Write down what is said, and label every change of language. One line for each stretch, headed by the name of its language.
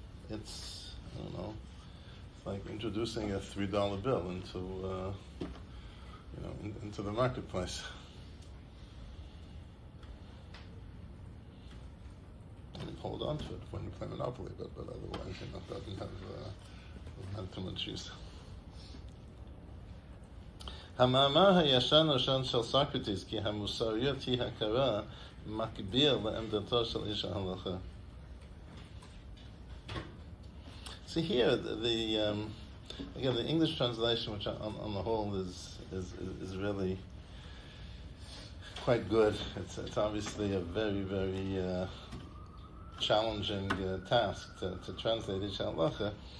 English: it's, I don't know, it's like introducing a $3 bill into, you know, into the marketplace. And hold on to it when you play Monopoly, but otherwise, you know, it doesn't have too much use.
Hebrew: המאמר הישן הראשון של סוקרטיס, כי המוסריות היא הכרה, מקביל לעמדתו של איש ההלכה.
English: See here, the English translation, which on the whole is really quite good. It's obviously a very, very challenging task to translate Ish HaLacha.